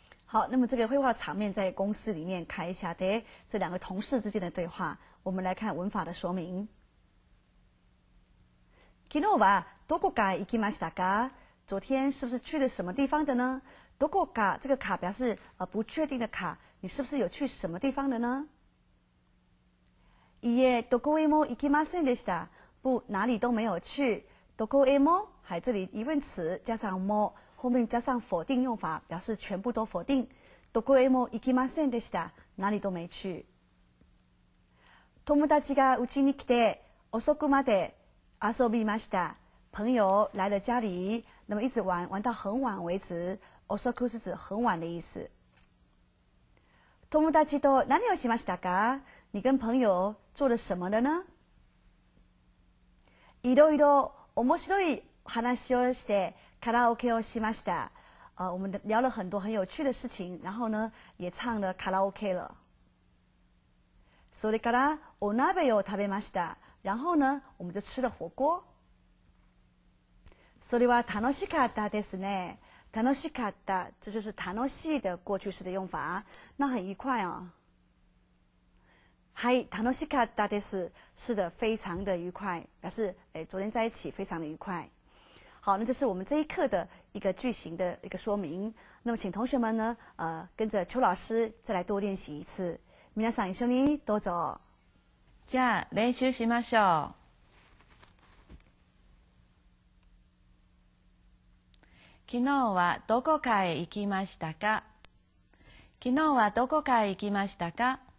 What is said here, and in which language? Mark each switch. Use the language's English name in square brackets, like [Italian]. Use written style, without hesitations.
[Chinese] 好，那么这个绘画场面在公司里面看一下的这两个同事之间的对话，我们来看文法的说明。 [Japanese] 昨日はどこか行きましたか？ [Chinese] 昨天是不是去了什么地方的呢？どこか这个卡表示不确定的卡，你是不是有去什么地方的呢？ [Japanese] いえ、どこへも行きませんでした。 [Chinese] 不，哪里都没有去。 [Japanese] どこへも， [Chinese] 还这里疑问词加上も。后面加上否定用法，表示全部都否定。 [Japanese] どこへも行きませんでした。 [Chinese] 哪里都没去。 [Japanese] 友達が家に来て遅くまで遊びました。 [Chinese] 朋友来了家里，那么一直玩玩到很晚为止。遅く是指很晚的意思。 [Japanese] 友達と何をしましたか？ [Chinese] 你跟朋友做了什么的呢？ [Japanese] いろいろ面白い話をして。卡拉 OK 哦，西玛西达， [Chinese] 我们聊了很多很有趣的事情，然后呢，也唱了卡拉 OK 了。 [Japanese] それからお鍋を食べました。 [Chinese] 然后呢，我们就吃了火锅。 [Japanese] それは楽しかったですね。 [Chinese] 楽しかった，这就是楽しい的过去式的用法，那很愉快啊。 [Japanese] はい、楽しかったです。 [Chinese] 是的，非常的愉快，表示昨天在一起非常的愉快。好，那这是我们这一课的一个句型的一个说明。那么，请同学们呢，跟着邱老师再来多练习一次。 [Japanese] 皆さん一緒にどうぞ。じゃあ練習しましょう。昨日はどこかへ行きましたか？昨日はどこかへ行きましたか？